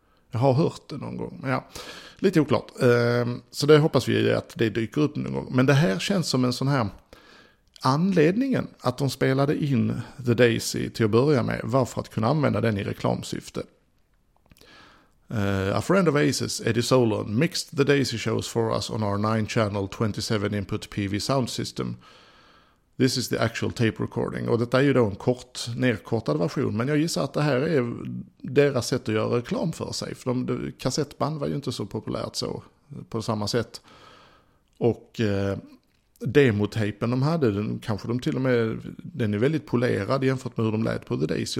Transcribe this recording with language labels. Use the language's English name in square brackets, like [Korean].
[Swedish] Jag har hört det någon gång, men ja, lite oklart. Så det hoppas vi att det dyker upp någon gång. Men det här känns som en sån här anledningen att de spelade in The Daisy till att börja med. Varför att kunna använda den i reklamsyfte? [English] A friend of Aces, Eddie Solon, mixed The Daisy shows for us on our 9-channel 27-input PV sound system. This is the actual tape recording. [Swedish] Och detta är ju då en kort, nedkortad version. Men jag gissar att det här är deras sätt att göra reklam för sig. För kassettband var ju inte så populärt så på samma sätt. Och demotapen de hade, den kanske de till och med, den är väldigt polerad jämfört med hur de lät på The Daisy.